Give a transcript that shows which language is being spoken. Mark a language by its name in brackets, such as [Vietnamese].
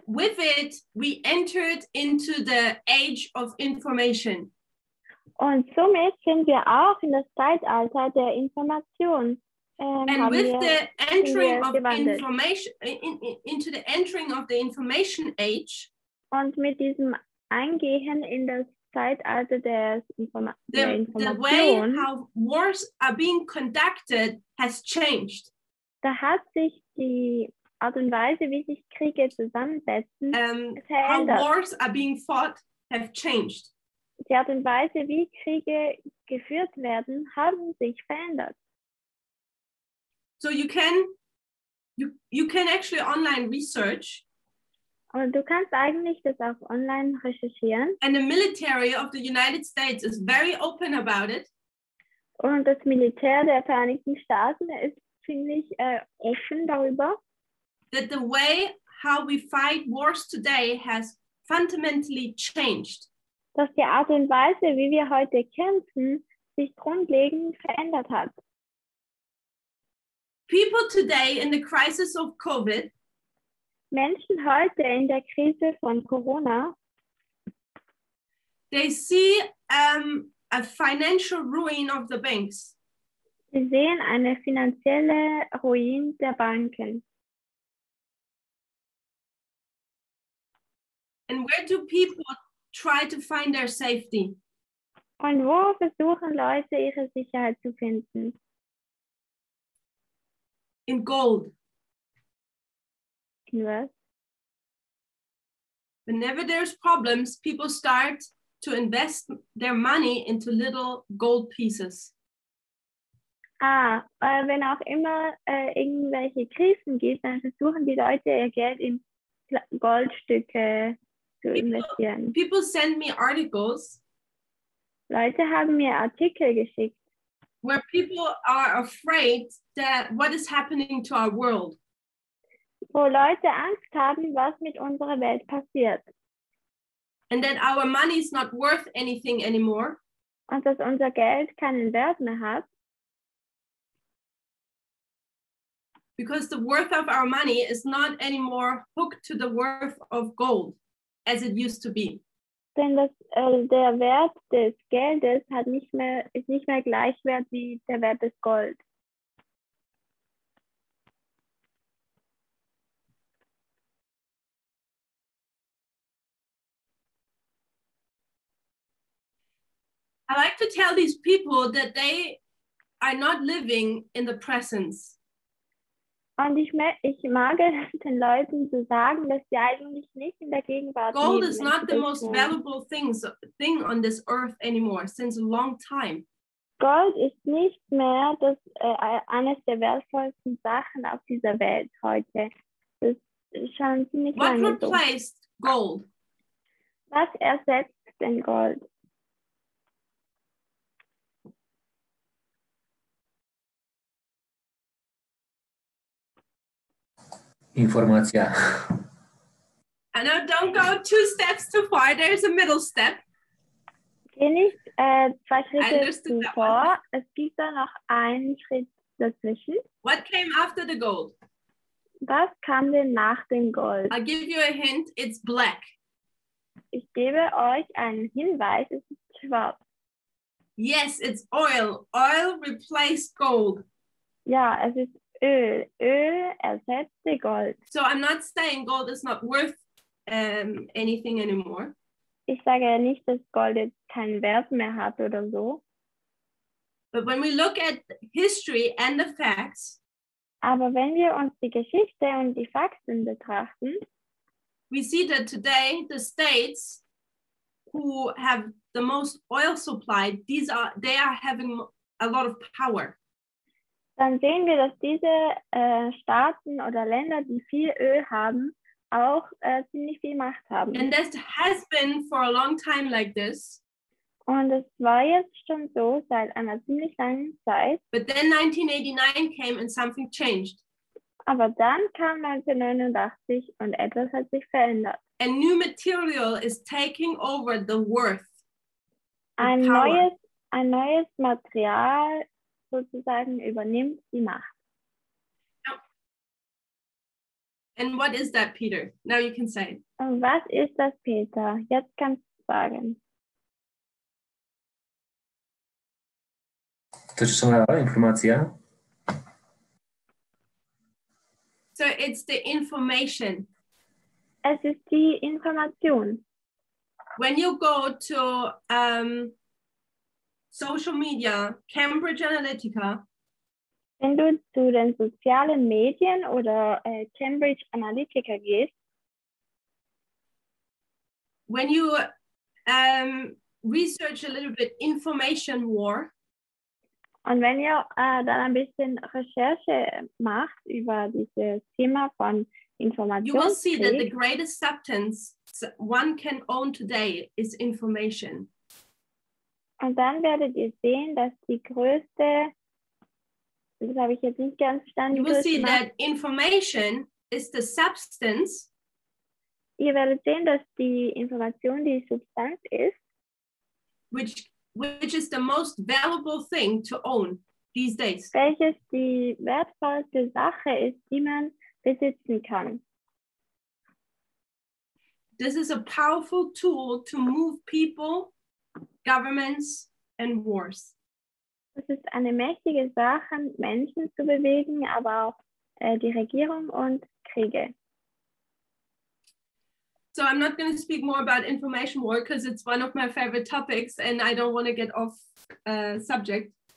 [English] With it, we entered into the age of information. [German] Und somit sind wir auch in das Zeitalter der Information. [English] And with the entering of information into the entering of the information age, [German] und mit diesem Eingehen in das Zeitalter des Informations, [English] the way how wars are being conducted has changed. [German] Da hat sich die Art und Weise, wie sich Kriege zusammensetzen, verändert. [English] How wars are being fought have changed. [German] Die Art und Weise, wie Kriege geführt werden, haben sich verändert. [English] So you can actually online research. [German] Und du kannst eigentlich das auch online recherchieren. [English] And the military of the United States is very open about it. [German] Und das Militär der Vereinigten Staaten ist ziemlich offen darüber. [English] That the way how we fight wars today has fundamentally changed. [German] Dass die Art und Weise, wie wir heute kämpfen, sich grundlegend verändert hat. [English] People today in the crisis of COVID, [German] Menschen heute in der Krise von Corona? [English] They see a financial ruin of the banks. [German] Sie sehen eine finanzielle Ruin der Banken. [English] And where do people try to find their safety? [German] Und wo versuchen Leute ihre Sicherheit zu finden? [English] In gold. [German] In was? [English] Whenever there's problems, people start to invest their money into little gold pieces. [German] Ah, wenn auch immer irgendwelche Krisen gibt, dann versuchen die Leute ihr Geld in Goldstücke zu investieren. [English] People send me articles. [German] Leute haben mir Artikel geschickt. [English] Where people are afraid that what is happening to our world. [German] Wo Leute Angst haben, was mit unserer Welt passiert. [English] And that our money is not worth anything anymore. [German] Und dass unser Geld keinen Wert mehr hat. [English] Because the worth of our money is not anymore hooked to the worth of gold, as it used to be. [German] Denn das, der Wert des Geldes hat nicht mehr, ist nicht mehr gleichwert wie der Wert des Gold. [English] I like to tell these people that they are not living in the presence. [German] Und ich mag es den Leuten zu sagen, dass sie eigentlich nicht in der Gegenwart [English] Gold Gold is not the most valuable thing on this earth anymore, since a long time. [German] Gold ist nicht mehr das eines der wertvollsten Sachen auf dieser Welt heute. Das ist schon ziemlich lange so. [English] What replaced gold? [German] Was ersetzt denn Gold? [English] Information. I know, don't go two steps too far. There's a middle step. [German] Geh nicht zwei Schritte zu vor. Es gibt da noch einen Schritt dazwischen. [English] What came after the gold? [German] Was kam denn nach dem Gold? [English] I'll give you a hint. It's black. [German] Ich gebe euch einen Hinweis. Es ist schwarz. [English] Yes, it's oil. Oil replaced gold. [German] Ja, es ist Öl ersetzte Gold. [English] So I'm not saying gold is not worth anything anymore. [German] Ich sage ja nicht, dass Gold jetzt keinen Wert mehr hat oder so. [English] But when we look at history and the facts, [German] aber wenn wir uns die Geschichte und die Fakten betrachten, [English] we see that today the states who have the most oil supply, they are having a lot of power. [German] Dann sehen wir, dass diese Staaten oder Länder, die viel Öl haben, auch ziemlich viel Macht haben. [English] And this has been for a long time like this. [German] Und es war jetzt schon so seit einer ziemlich langen Zeit. [English] But then 1989 came and something changed. [German] Aber dann kam 1989 und etwas hat sich verändert. [English] A new material is taking over the worth. [German] Ein neues Material sozusagen übernimmt die Macht. [English] And what is that, Peter? Now you can say. [German] Und was ist das, Peter? Jetzt kannst du sagen. Das ist eine Information. [English] So it's the information. [German] Es ist die Information. [English] When you go to social media, Cambridge Analytica. [German] Wenn du zu den sozialen Medien oder Cambridge Analytica gehst, [English] when you research a little bit information war, [German] und wenn ihr dann ein bisschen Recherche macht über dieses Thema von Information, [English] you will see that the greatest substance one can own today is information. [German] Und dann werdet ihr sehen, dass die größte, das habe ich jetzt nicht ganz verstanden. [English] You will see that information is the substance. [German] Ihr werdet sehen, dass die Information die Substanz ist. [English] Which is the most valuable thing to own these days. [German] Welches die wertvollste Sache ist, die man besitzen kann. [English] this is a powerful tool to move people, governments, and wars. [German] Das ist eine mächtige Sache, Menschen zu bewegen, aber auch die Regierung und Kriege. [English] So I'm not going to speak more about information war because it's one of my favorite topics and I don't want to get off subject.